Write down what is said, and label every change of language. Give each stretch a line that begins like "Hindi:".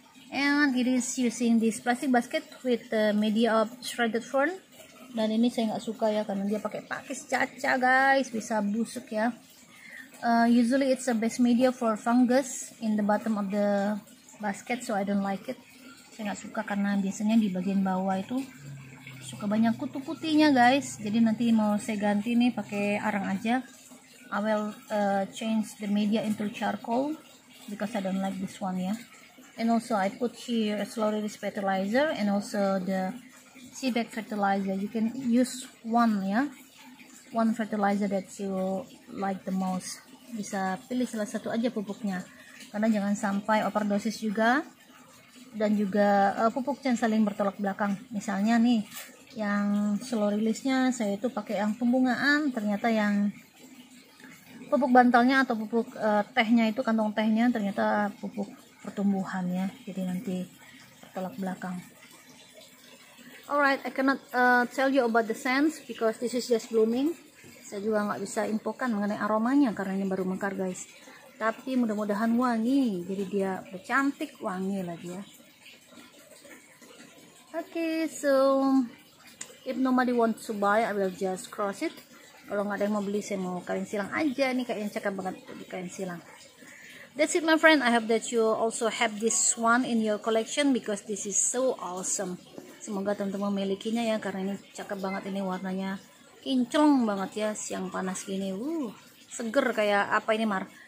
English: And it is using this plastic basket with the media of shredded fern.
Indonesian: Dan ini saya nggak suka ya, karena dia pakai pakis caca guys, bisa busuk ya.
English: Usually it's a base media for fungus in the bottom of the basket, so I don't like it.
Indonesian: Saya nggak suka karena biasanya di bagian bawah itu suka banyak kutu kutinya guys. Jadi nanti mau saya ganti nih pakai arang aja.
English: I will change the media into charcoal because I don't like this one ya. And also I put here a slow release fertilizer and also the seedbed fertilizer. You can use one ya. One fertilizer that you like the most, bisa pilih salah satu aja pupuknya, karena jangan sampai overdosis juga, dan juga pupuknya saling bertolak belakang.
Indonesian: Misalnya nih yang slow release-nya saya itu pakai yang pembungaan, ternyata yang pupuk bantalnya atau pupuk tehnya itu, kantong tehnya, ternyata pupuk pertumbuhannya, jadi nanti bertolak belakang.
English: Alright, I cannot tell you about the scent because this is just blooming.
Indonesian: Saya juga nggak bisa infokan mengenai aromanya karena ini baru mekar guys. Tapi mudah-mudahan wangi, jadi dia bercantik wangi lagi ya.
English: Okay, so if nobody wants to buy, I will just cross it.
Indonesian: Kalau nggak ada yang mau beli, saya mau kain silang aja. Ini kayaknya cakep banget di kain silang.
English: That's it my friend, I hope that you also have this one in your collection because this is so awesome.
Indonesian: Semoga teman-teman memilikinya ya, karena ini cakep banget, ini warnanya kinclong banget ya, siang panas gini, seger kayak apa ini Mar?